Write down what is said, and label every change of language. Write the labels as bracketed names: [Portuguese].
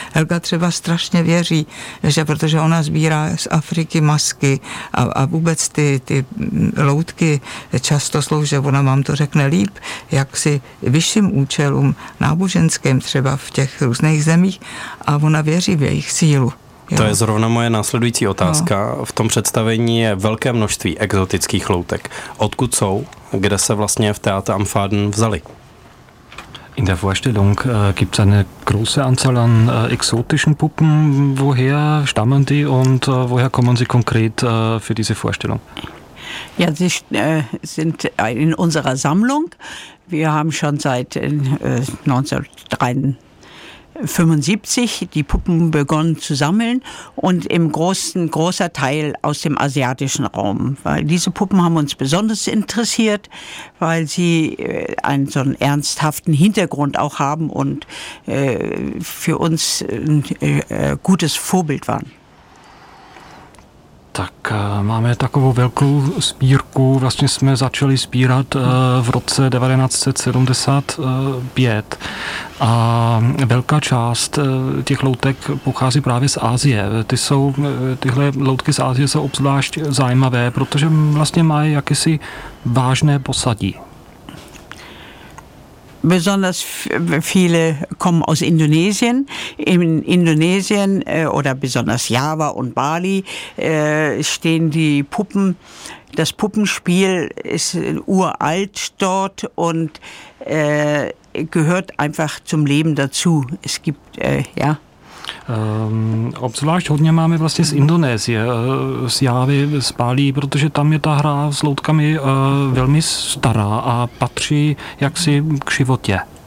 [Czech] Helga třeba strašně věří, že protože ona sbírá z Afriky masky a vůbec ty loutky často slouží, ona vám to řekne líp, jak si vyšším účelům náboženským třeba v těch různých zemích, a ona věří v jejich sílu. To je zrovna moje následující otázka. V tom představení je velké množství exotických loutek. Odkud jsou? Kde se vlastně v Theater am Faden vzali? [German] In der Vorstellung gibt es eine große Anzahl an exotischen Puppen. Woher stammen die und woher kommen sie konkret für diese Vorstellung? Ja, sie sind in unserer Sammlung. Wir haben schon seit 1975 die Puppen begonnen zu sammeln und im großer Teil aus dem asiatischen Raum. Weil diese Puppen haben uns besonders interessiert, weil sie einen so einen ernsthaften Hintergrund auch haben und für uns ein gutes Vorbild waren. [Czech] Tak máme takovou velkou sbírku, vlastně jsme začali sbírat v roce 1975 a velká část těch loutek pochází právě z Asie. Tyhle loutky z Asie jsou obzvlášť zajímavé, protože vlastně mají jakési vážné posadí. [German] Besonders viele kommen aus Indonesien. In Indonesien oder besonders Java und Bali stehen die Puppen. Das Puppenspiel ist uralt dort und gehört einfach zum Leben dazu. Es gibt, ja. [Czech] Obzvlášť hodně máme vlastně z Indonésie, z Javy, z Bali, protože tam je ta hra s loutkami velmi stará a patří jaksi k životě.